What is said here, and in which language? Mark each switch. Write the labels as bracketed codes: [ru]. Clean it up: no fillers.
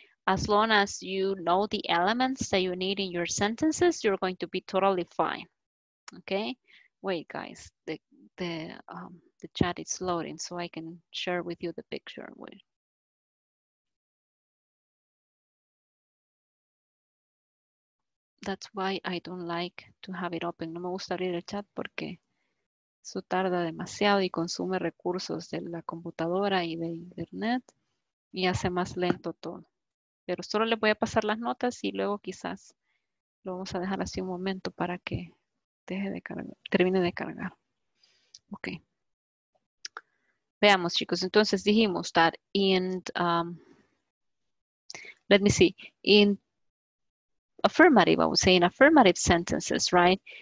[en] As long as you know the elements that you need in your sentences, you're going to be totally fine. Okay? Wait, guys, the chat is loading so I can share with you the picture. Wait. That's why I don't like to have it open. [es] No me gusta abrir el chat porque eso tarda demasiado y consume recursos de la computadora y de internet y hace más lento todo. Pero solo les voy a pasar las notas y luego quizás lo vamos a dejar así un momento para que deje de cargar, termine de cargar. Ok. Veamos, chicos. Entonces dijimos [en] that in, let me see, in affirmative, I would say in affirmative sentences, right?